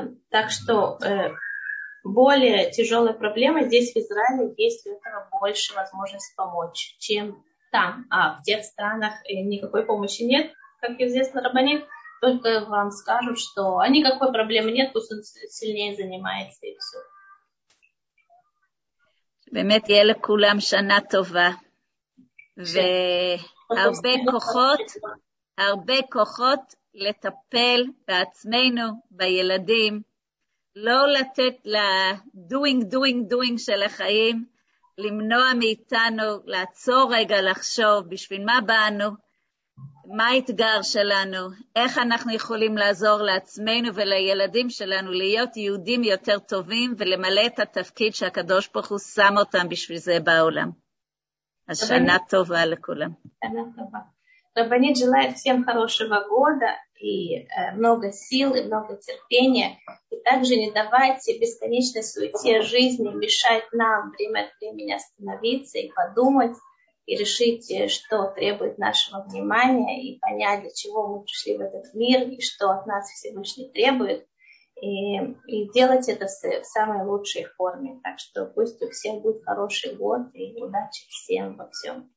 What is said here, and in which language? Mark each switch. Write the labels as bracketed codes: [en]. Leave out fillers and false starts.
[ru] Так что более тяжелая проблема здесь, в Израиле, есть у этого больше возможность помочь, чем там. А в тех странах никакой помощи нет, как известно, рабанит, только вам скажут, что никакой проблемы нет, пусть он сильнее занимается, и все. [he] באמת יהיה לכולם שנה טובה, והרבה כוחות, הרבה כוחות לטפל בעצמנו, בילדים, לא לתת לדוינג דוינג דוינג של החיים, למנוע מאיתנו לעצור רגע לחשוב בשביל מה באנו, מה האתגר שלנו, איך אנחנו יכולים לעזור לעצמנו ולילדים שלנו להיות יהודים יותר טובים ולמלא את התפקיד שהקדוש ברוך הוא שם אותם בשביל זה בעולם. אז שנה טובה לכולם. שנה טובה. [ru] Рабанит желает всем хорошего года и много сил, и много терпения. И также не давайте бесконечной суете жизни мешать нам время от времени остановиться и подумать, и решить, что требует нашего внимания, и понять, для чего мы пришли в этот мир, и что от нас Всевышний требует, и делать это в самой лучшей форме. Так что пусть у всех будет хороший год, и удачи всем во всем.